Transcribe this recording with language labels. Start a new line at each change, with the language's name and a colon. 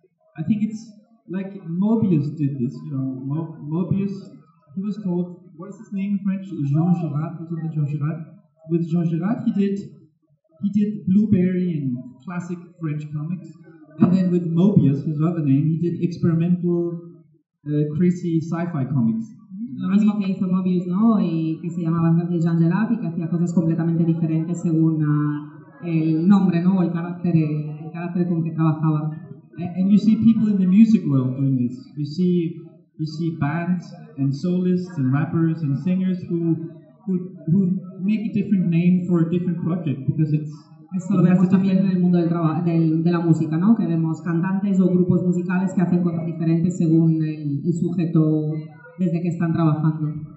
English: I think it's like Mobius did this, you know. Mobius, he was called, what is his name in French? Jean Girard, wasn't it? Jean Girard. With Jean Girard, he did Blueberry in classic French comics, and then with Mobius, his other name, he did experimental, crazy sci-fi comics.
Spanish: Lo mismo que hizo Mobius, ¿no? Y que se llamaba Jean Girard y que hacía cosas completamente diferentes según el nombre, ¿no? O el carácter con que trabajaba.
English: And you see people in the music world doing this. You see bands and soloists and rappers and singers who make a different name for a different project because it's...
Spanish: Eso lo vemos también en el mundo de la música, ¿no? Que vemos cantantes o grupos musicales que hacen cosas diferentes según el sujeto desde que están trabajando.